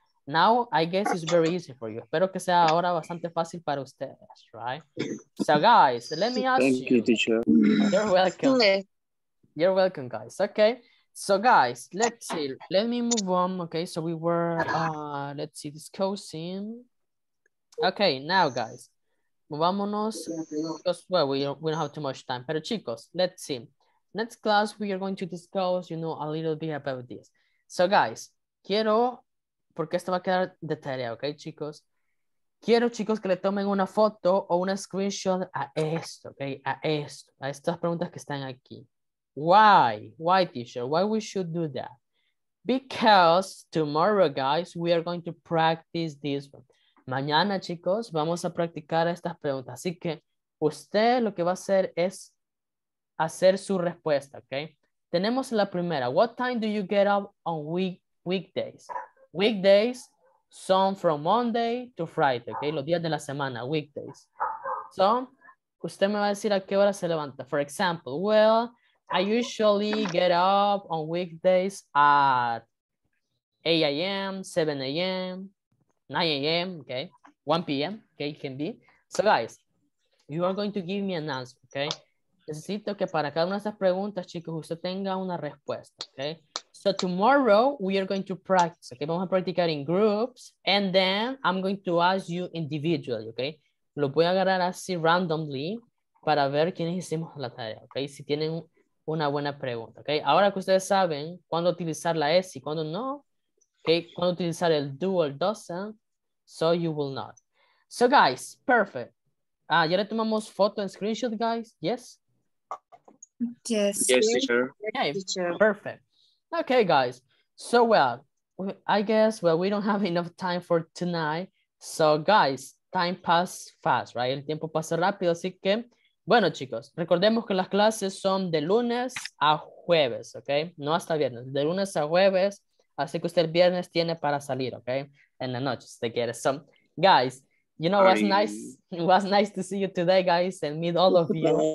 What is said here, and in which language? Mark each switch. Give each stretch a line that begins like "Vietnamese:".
English: Now I guess it's very easy for you.
Spanish: Espero que sea ahora bastante fácil para ustedes,
English: right? So guys, let me ask you. Thank you, teacher. You're welcome. You're welcome, guys. Okay. So guys, let's see. Let me move on. Okay. So we were discussing. Okay. Now, guys.
Spanish: Vámonos,
English: because, well, we don't have too much time.
Spanish: Pero chicos,
English: let's see. Next class, we are going to discuss, you know, a little bit about this. So guys,
Spanish: quiero, porque esto va a quedar de tarea, okay, chicos? Quiero, chicos, que le tomen una foto o una screenshot a esto, okay? A estas preguntas que están aquí.
English: Why, teacher? Why we should do that? Because tomorrow, guys, we are going to practice this one.
Spanish: Mañana, chicos, vamos a practicar estas preguntas. Así que usted lo que va a hacer es hacer su respuesta, ¿ok? Tenemos la primera.
English: What time do you get up on weekdays? Weekdays
Spanish: son
English: from Monday to Friday, ¿ok?
Spanish: Los días de la semana, weekdays. So, usted me va a decir a qué hora se levanta.
English: For example, well, I usually get up on weekdays at 8 a.m., 7 a.m., 9 a.m., okay, 1 p.m., okay, can be. So, guys, you are going to give me an answer, okay?
Spanish: Necesito que para cada una de esas preguntas, chicos, usted tenga una respuesta, okay?
English: So, tomorrow, we are going to practice, okay?
Spanish: Vamos a practicar
English: in groups, and then I'm going to ask you individually, okay?
Spanish: Lo voy a agarrar así
English: randomly
Spanish: para ver quiénes hicimos la tarea, okay? Si tienen una buena pregunta, okay? Ahora que ustedes saben cuándo utilizar la S y cuándo no, okay? Cuándo utilizar el
English: do or doesn't, so you will not. So, guys, perfect.
Spanish: Ah, ya le tomamos foto en
English: screenshot, guys. Yes? Yes. Yes, teacher. Okay, teacher. Perfect. Okay, guys. So, well, I guess, well, we don't have enough time for tonight. So, guys, time pass fast, right?
Spanish: El tiempo pasa rápido, así que, bueno, chicos, recordemos que las clases son de lunes a jueves, okay? No hasta viernes, de lunes a jueves, así que usted el viernes tiene para salir, okay? En la noche, si te quieres.
English: So, guys, you know, it was nice to see you today, guys, and meet all of you.